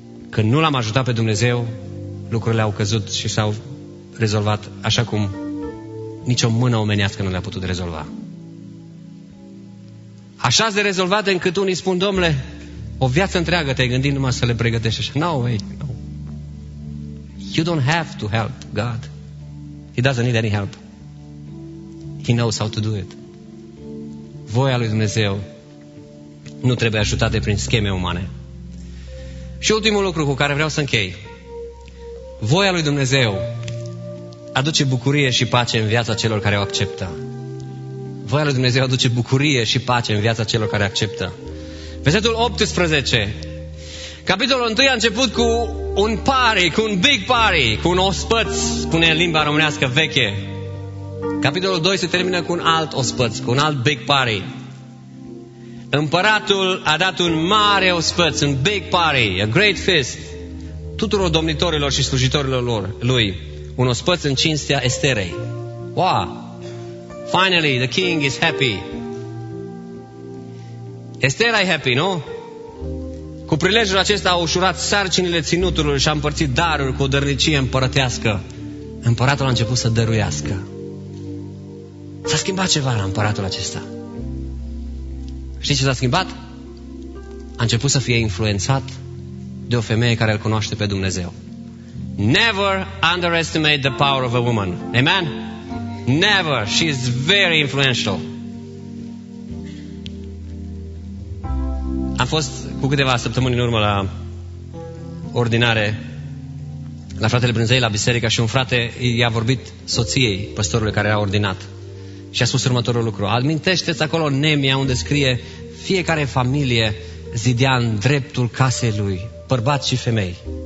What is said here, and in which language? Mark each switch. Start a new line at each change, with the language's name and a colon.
Romanian: Când nu L-am ajutat pe Dumnezeu, lucrurile au căzut și s-au rezolvat așa cum nicio mână omenească nu le-a putut rezolva. Așa de rezolvate încât unii spun, domnule, o viață întreagă te-ai gândit numai să le pregătești așa.
English: No way, no. You don't have to help God. He doesn't need any help. He knows how to do it.
Romanian: Voia lui Dumnezeu nu trebuie ajutată prin scheme umane. Și ultimul lucru cu care vreau să închei. Voia lui Dumnezeu aduce bucurie și pace în viața celor care o acceptă. Voia lui Dumnezeu aduce bucurie și pace în viața celor care acceptă. Versetul 18. Capitolul 1 a început cu un party, cu un
English: big party,
Romanian: cu un ospăț, spune în limba românească veche. Capitolul 2 se termină cu un alt ospăț, cu un alt
English: big party.
Romanian: Împăratul a dat un mare ospăț, un
English: big party, a great feast,
Romanian: tuturor domnitorilor și slujitorilor lui. Un ospăț în cinstea Esterei.
English: Wow! Finally, the king is happy.
Romanian: Estera e happy, nu? Cu prilejul acesta a ușurat sarcinile ținutului și a împărțit darul cu o dărnicie împărătească. Împăratul a început să dăruiască. S-a schimbat ceva la împăratul acesta. Știi ce s-a schimbat? A început să fie influențat de o femeie care îl cunoaște pe Dumnezeu.
English: Never underestimate the power of a woman. Amen? Never. She is very influential.
Romanian: Am fost cu câteva săptămâni în urmă la ordinare la fratele Brânzei, la biserică, și un frate i-a vorbit soției păstorului care era ordinat și a spus următorul lucru. Amintește-ți acolo Nemia, unde scrie fiecare familie zidea în dreptul casei lui, bărbați și femei.